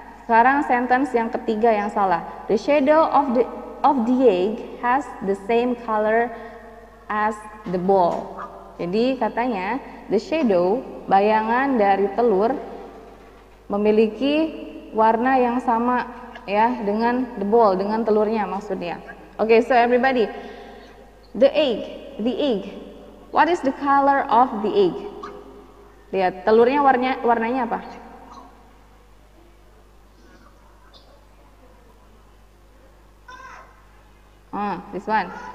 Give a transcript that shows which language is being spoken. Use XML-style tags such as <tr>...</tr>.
<id>Sekarang sentence yang ketiga yang salah.</id> <en>The shadow of the egg has the same color as the ball.</en> <id>Jadi katanya the shadow, bayangan dari telur memiliki warna yang sama. Ya, dengan the ball, dengan telurnya maksudnya. Okay, so everybody, the egg.</id> <en>What is the color of the egg? Lihat, telurnya warnanya apa? This one.</en>